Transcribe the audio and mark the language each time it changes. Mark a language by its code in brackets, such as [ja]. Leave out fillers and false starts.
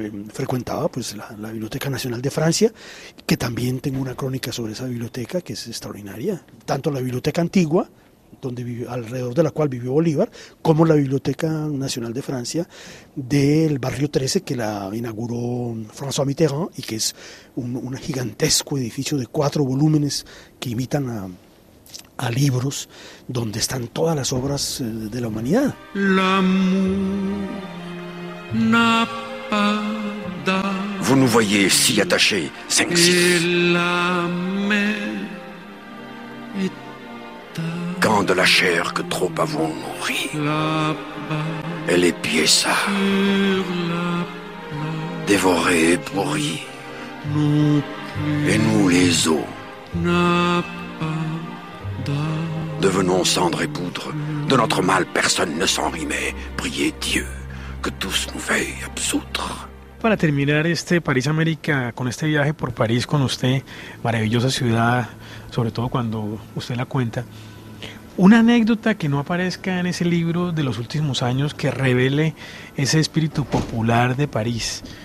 [es] frecuentaba pues la Biblioteca Nacional de Francia, que también tengo una crónica sobre esa biblioteca que es extraordinaria, tanto la biblioteca antigua, donde vivió, alrededor de la cual vivió Bolívar, como la Biblioteca Nacional de Francia del barrio 13, que la inauguró François Mitterrand y que es un gigantesco edificio de 4 volúmenes que imitan a libros donde están todas las obras de la humanidad. [fr] Vous nous voyez si attachés, 5-6. Quand de la chair que trop avons nourri, elle est piéça, dévorée et pourrie, et nous les os, devenons cendre et poudre, de notre mal personne ne s'en rimait, priez Dieu que tous nous veillent absoudre. [es] Para terminar este París América, con este viaje por París con usted, maravillosa ciudad, sobre todo cuando usted la cuenta, una anécdota que no aparezca en ese libro de los últimos años que revele ese espíritu popular de París.